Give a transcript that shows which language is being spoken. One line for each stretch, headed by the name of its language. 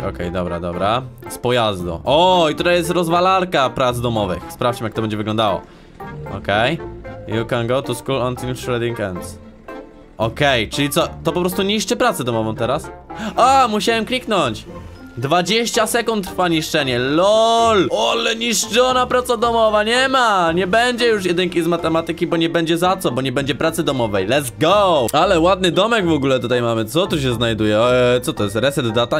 Polish: Okej, dobra, dobra. Z pojazdu. O, i tutaj jest rozwalarka prac domowych. Sprawdźmy, jak to będzie wyglądało. Okej.
English: You can go to school until shredding ends.
Polish: Okej, czyli co? To po prostu niszczy pracę domową teraz? O, musiałem kliknąć. 20 sekund trwa niszczenie, lol! Ole, niszczona praca domowa, nie ma! Nie będzie już jedynki z matematyki, bo nie będzie za co, bo nie będzie pracy domowej,
English: let's go!
Polish: Ale ładny domek w ogóle tutaj mamy, co tu się znajduje? Co to jest, reset data?